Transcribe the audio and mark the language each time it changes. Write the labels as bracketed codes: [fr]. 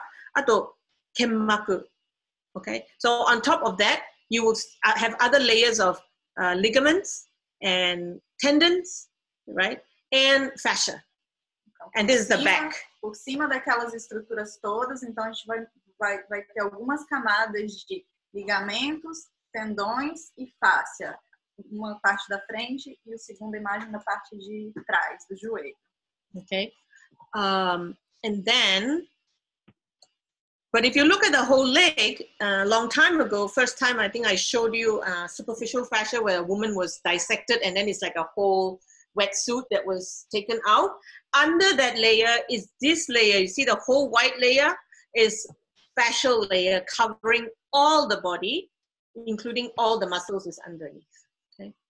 [ja] 柔らかく動くための液体が入ってる。で、さらにその上にあるのは、例えばもっと大きい靭帯とか、腱とか、あと腱膜。 [en] Okay, so on top of that, you will have other layers of ligaments and tendons, right? And fascia. And this is the back. [pt] Por cima daquelas estruturas todas, então a gente vai ter algumas camadas de ligamentos, tendões e fáscia. Uma parte da frente e a segunda imagem na parte de trás, do joelho. [en] Okay. And then, but if you look at the whole leg, a long time ago, first time I think I showed you superficial fascia where a woman was dissected and then it's like a whole wetsuit that was taken out. Under that layer is this layer. You see the whole white layer is fascial layer covering all the body, including all the muscles is underneath. Okay.